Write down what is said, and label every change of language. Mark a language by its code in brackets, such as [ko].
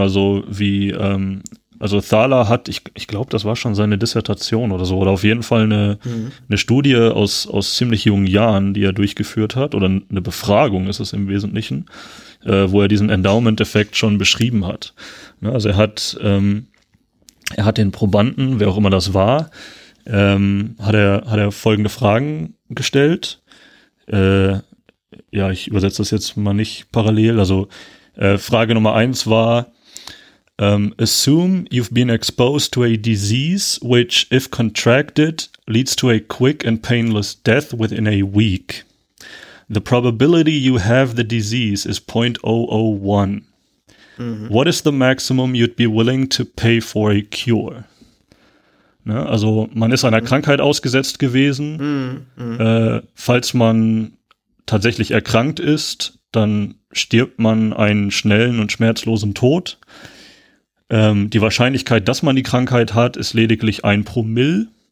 [de] Also wie also Thaler hat, ich glaube, das war schon seine Dissertation oder so, oder auf jeden Fall eine Studie aus ziemlich jungen Jahren, die er durchgeführt hat, oder eine Befragung ist es im Wesentlichen, wo er diesen Endowment-Effekt schon beschrieben hat. Also er hat den Probanden, wer auch immer das war, hat er folgende Fragen gestellt. Ich übersetze das jetzt mal nicht parallel. Also Frage Nummer 1 war, [en] assume you've been exposed to a disease which, if contracted, leads to a quick and painless death within a week. The probability you have the disease is 0.001. What is the maximum you'd be willing to pay for a cure? [de] Ne, also man ist einer Krankheit ausgesetzt gewesen. Falls man tatsächlich erkrankt ist, dann stirbt man einen schnellen und schmerzlosen Tod. Die Wahrscheinlichkeit, dass man die Krankheit hat, ist lediglich 1 Promille.